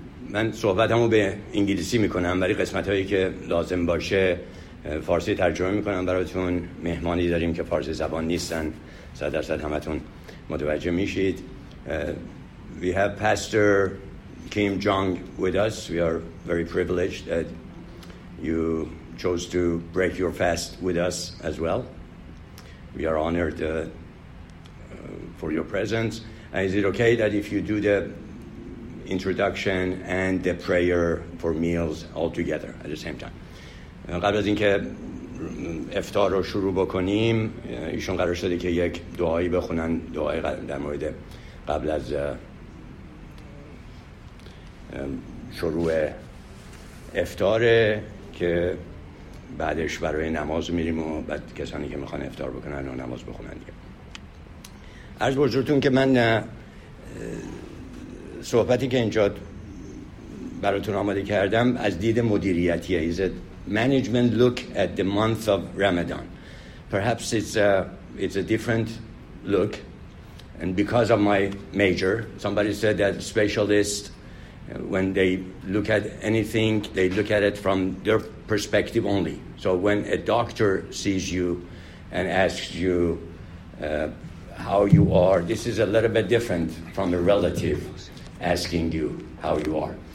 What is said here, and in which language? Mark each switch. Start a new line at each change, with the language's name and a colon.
Persian: من صحبتمو به انگلیسی میکنم ولی قسمت هایی که لازم باشه فارسی ترجمه میکنم براتون. مهمانی داریم که فارسی زبان نیستن، 100% همتون متوجه میشید.
English: We have Pastor Kim Jong with us. We are very privileged that you chose to break your fast with us as well. We are honored for your presence. And is it okay that if you do the introduction and the prayer for meals all together at the same time?
Persian: قبل از اینکه افطار رو شروع بکنیم، ایشون قرار شده که یک دعایی بخونن، دعای در مورد قبل از شروع افطار، که بعدش برای نماز میریم و بعد کسانی که میخوان افطار بکنن و نماز بخونن دیگه. عرض به حضورتون که من صحبتی که اینجا براتون آماده کردم از دید مدیریتی از
English: management look at the month of Ramadan. Perhaps it's a different look, and because of my major, somebody said that specialists, when they look at anything, they look at it from their perspective only. So when a doctor sees you and asks you how you are, this is a little bit different from a relative asking you how you are.